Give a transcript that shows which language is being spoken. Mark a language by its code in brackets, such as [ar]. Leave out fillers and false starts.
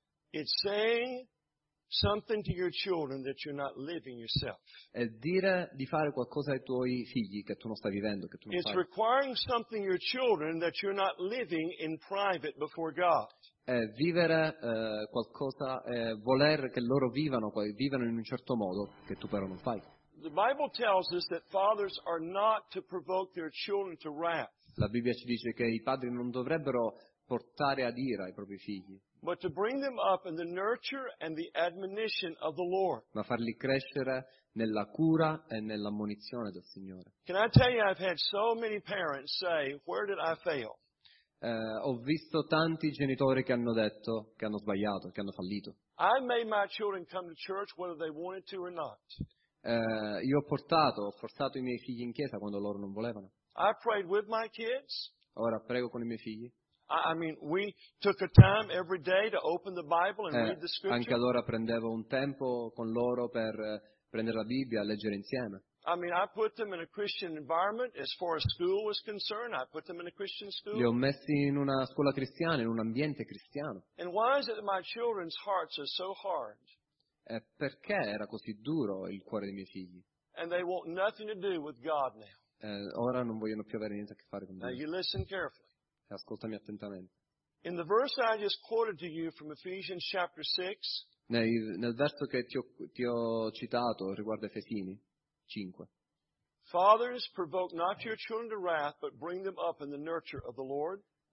[en] It's saying something to your children that you're not living yourself. [it] È dire di fare qualcosa ai tuoi figli che tu non stai vivendo, che tu non fai. [en] It's requiring something your children that you're not living in private before God. [it] È vivere qualcosa, è voler che loro vivano in un certo modo che tu però non fai. [en] The Bible tells us that fathers are not to provoke their children to wrath. [it] La Bibbia ci dice che i padri non dovrebbero portare ad ira i propri figli. [en] But to bring them up in the nurture and the admonition of the Lord. [it] Ma farli crescere nella cura e nell'ammonizione del Signore. [en] Can I tell you, I've had so many parents say, "Where did I fail?" [it] Ho visto tanti genitori che hanno detto che hanno sbagliato, che hanno fallito. [en] I made my children come to church whether they wanted to or not. [it] Io ho forzato i miei figli in chiesa quando loro non volevano. [en] I prayed with my kids. [it] Ora prego con i miei figli. [en] I mean, we took a time every day to open the Bible and read the scripture. [it] Anche allora prendevo un tempo con loro per prendere la Bibbia e leggere insieme. [en] I mean, I put them in a Christian environment as far as school was concerned. I put them in a Christian school. [it] Li ho messi in una scuola cristiana, in un ambiente cristiano. [en] And why is it that my children's hearts are so hard? [it] E perché era così duro il cuore dei miei figli? [en] And they want nothing to do with God now. [it] Ora non vogliono più avere niente a che fare con Dio. [en] Now you listen carefully. [it] Ascoltami attentamente. [en] In the verse I just quoted to you from Ephesians chapter 6, [it] nel verso che ti ho citato riguardo Efesini 5. [en] Fathers, provoke not your children to wrath, but bring them up in the nurture of the Lord.